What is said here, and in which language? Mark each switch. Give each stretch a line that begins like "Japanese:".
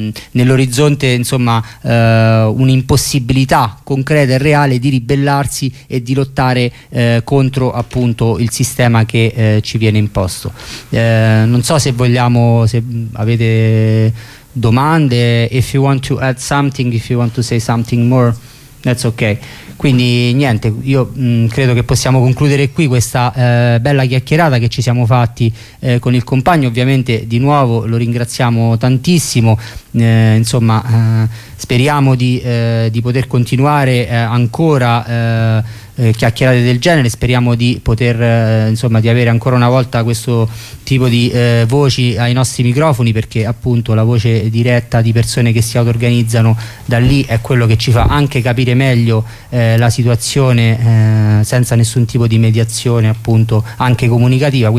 Italian: nell'orizzonte insomma un'impossibilità concreta e reale di ribellarsi e di lottare contro appunto il sistema che ci viene imposto. Non so se avete domande.
English: If you want to add something, if you want to say something more, that's okay.
Italian: Quindi niente, io credo che possiamo concludere qui questa bella chiacchierata che ci siamo fatti con il compagno. Ovviamente di nuovo lo ringraziamo tantissimo, speriamo di poter continuare ancora chiacchierate del genere, speriamo di poter di avere ancora una volta questo tipo di voci ai nostri microfoni, perché appunto la voce diretta di persone che si auto-organizzano da lì è quello che ci fa anche capire meglio la situazione senza nessun tipo di mediazione appunto anche comunicativa.